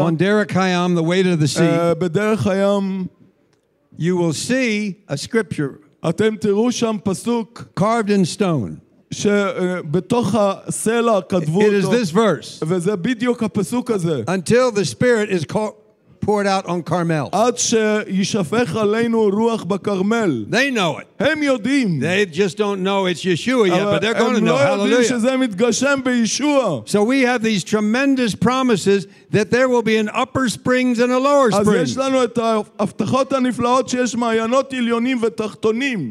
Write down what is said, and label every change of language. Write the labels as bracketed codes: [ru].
[en] on Derek Hayam, the way to the sea, you will see a scripture carved in stone. It is this verse. Until the Spirit is called poured out on Carmel. [he] עד שישפך עלינו רוח בקרמל. [en] They know it. [he] הם יודעים. [en] They just don't know it's Yeshua yet, but they're going to know. Hallelujah. [he] הם לא יודעים שזה מתגשם בישוע. [en] So we have these tremendous promises that there will be an upper springs and a lower springs. [he] אז יש לנו את ההבטחות הנפלאות שיש מעיינות עליונים ותחתונים.